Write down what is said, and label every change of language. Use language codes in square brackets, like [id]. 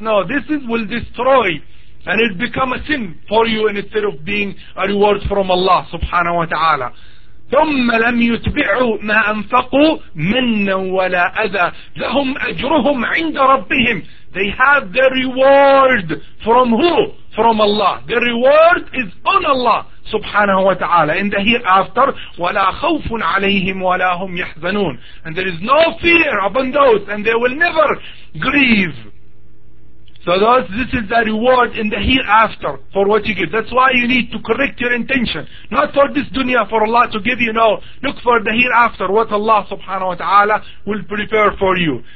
[en] No, this is will destroy. And it become a sin for you instead of being a reward from Allah subhanahu wa ta'ala. [ar] ثُمَّ لَمْ يُتْبِعُوا مَا أَنْفَقُوا مِنَّا وَلَا أَذَى لَهُمْ أَجْرُهُمْ عِنْدَ رَبِّهِمْ. [en] They have the reward from who? From Allah. The reward is on Allah subhanahu wa ta'ala. In the hereafter, [ar] وَلَا خَوْفٌ عَلَيْهِمْ وَلَا هُمْ يَحْزَنُونَ. [en] And there is no fear upon those, and they will never grieve. So this is the reward in the hereafter for what you give. That's why you need to correct your intention. Not for this dunya, for Allah to give you. No, look for the hereafter, what Allah subhanahu wa ta'ala will prepare for you.